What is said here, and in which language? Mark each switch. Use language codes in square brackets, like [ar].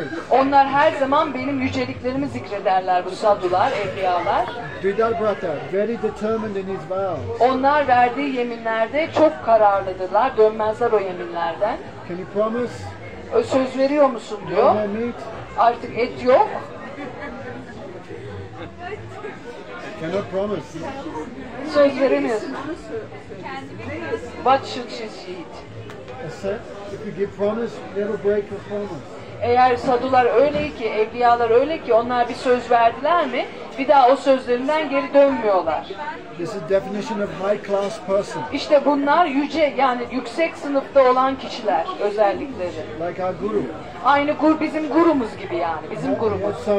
[tr] Onlar her zaman benim yüceliklerimi zikrederler, bu sadular, evliyalar. [en] Vidarbhata, very determined in his vows. [tr] Onlar verdiği yeminlerde çok kararlıdırlar, dönmezler o yeminlerden. [en] Can you promise? [tr] Söz veriyor musun diyor. [en] No meat. [tr] Artık et yok. [en] Cannot promise. [tr] Söz veremiyorsun. [en] What should she eat? Except if you give promise, never break your promise. [tr] Eğer sadular öyle ki, evliyalar öyle ki, onlar bir söz verdiler mi, bir daha o sözlerinden geri dönmüyorlar. [en] This is definition of high class person. [tr] İşte bunlar yüce, yani yüksek sınıfta olan kişiler, özellikleri. [en] Like our guru. [tr] Aynı guru, bizim gurumuz gibi yani, bizim gurumuz.